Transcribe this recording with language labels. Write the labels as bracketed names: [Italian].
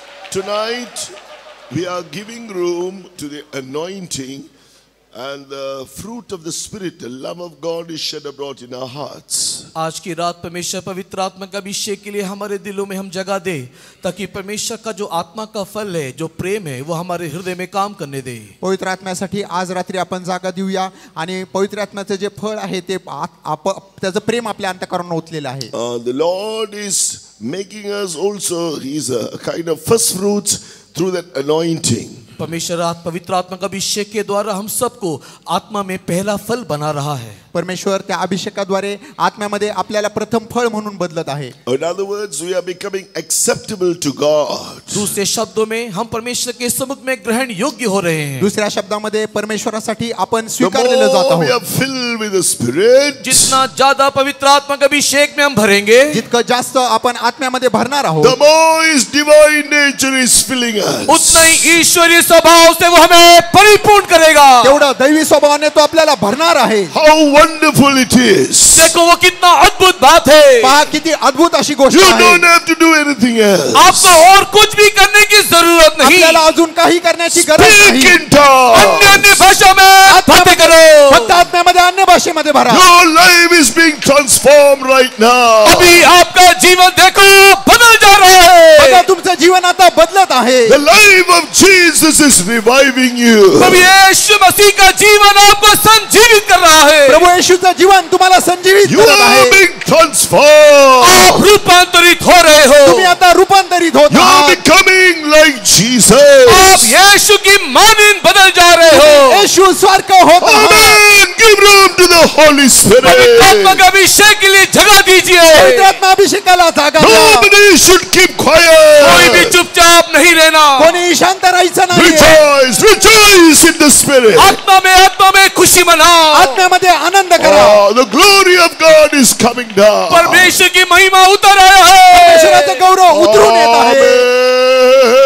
[English] Tonight we are giving room to the anointing and the fruit of the spirit, the love of God is shed abroad in our hearts. [Hindi] आज की रात परमेश्वर पवित्र आत्मा का अभिषेक के लिए हमारे दिलों में हम जगह दे, ताकि परमेश्वर का जो आत्मा का फल है, जो प्रेम है, वो हमारे हृदय में काम करने दे। [Marathi] पवित्र आत्म्यासाठी आज रात्री आपण जागा देऊया आणि पवित्र आत्म्याचे जे फळ आहे ते त्याचं प्रेम आपल्या अंतःकरणात ओतलेलं आहे। [English] The Lord is making us also, he's a kind of first fruits through that anointing. [Hindi] परमेश्वर पवित्र आत्मा का अभिषेक के द्वारा हम सबको आत्मा में पहला फल बना रहा है। [Marathi] परमेश्वर त्या अभिषेकाद्वारे आत्म्यामध्ये आपल्याला प्रथम फळ म्हणून बदलत आहे। [English] In other words, we are becoming acceptable to God. [Hindi] दुसरे शब्दों में हम परमेश्वर के समक्ष में ग्रहण योग्य हो रहे हैं। [Marathi] दुसऱ्या शब्दामध्ये परमेश्वरासाठी आपण स्वीकारलेले जात आहोत। [English] We are filled with the Spirit. [Hindi] जितना ज्यादा पवित्र आत्मा का अभिषेक में हम भरेंगे, [Marathi] जितका जास्त आपण आत्म्यामध्ये भरणार आहोत, [English] The more his divine nature is filling us. [Hindi] उतना ही ईश्वरी स्वभाव से वो हमें परिपूर्ण करेगा। [Marathi] एवढा दैवी स्वभावाने तो आपल्याला भरणार आहे। [English] Wonderful it is. [Hindi] देखो वो कितना अद्भुत बात है। [Marathi] पाहा किती अद्भुत अशी गोष्ट आहे। [English] You don't have to do anything else. [Hindi] आपको और कुछ भी करने की जरूरत नहीं। [Marathi] आपल्याला अजून काही करण्याची गरज नाही। [English] Speak in tongues. [Hindi] अन्य भाषेत बोलते करो। [Marathi] फक्त आत्म्यामध्ये अन्य भाषेमध्ये भरा। [English] Your life is being transformed right now. [Hindi] अभी आपका जीवन देखो बदल जा रहा है। [Marathi] बघा तुमचं जीवन आता बदलत आहे। [English] The life of Jesus is reviving you. [Hindi] प्रभु येशू मसीह का जीवन आपको संजीवित कर रहा है। [Marathi] प्रभु येशूचं जीवन तुम्हाला संजीवित करत आहे। [English] You are being transformed. [Hindi] आप रूपांतरित हो रहे हो। [Marathi] तुम्ही आता रूपांतरित होत आहात। [English] You are becoming like Jesus. [Hindi] आप येशू की मानिंद बदल जा रहे हो। [Marathi] येशू स्वर्ग होत आहात। [English] Amen. Give room to the Holy Spirit. [Hindi] आत्मा का अभिषेक के लिए जगह दीजिए। [Marathi] आत्मा अभिषेकाला जागा द्या। [English] Nobody should keep quiet. [Hindi] कोई भी चुपचाप नहीं रहना। [Marathi] कोणी शांत राहायचं नाही। [English] Rejoice, rejoice in the Spirit. [Hindi] आत्मा में खुशी मना। [Marathi] आत्म्यामध्ये आनंद करा। [English] The glory of God is coming down. [Hindi] परमेश्वर की महिमा उतर आया है। [Marathi] परमेश्वराचं गौरव उतरून येत आहे।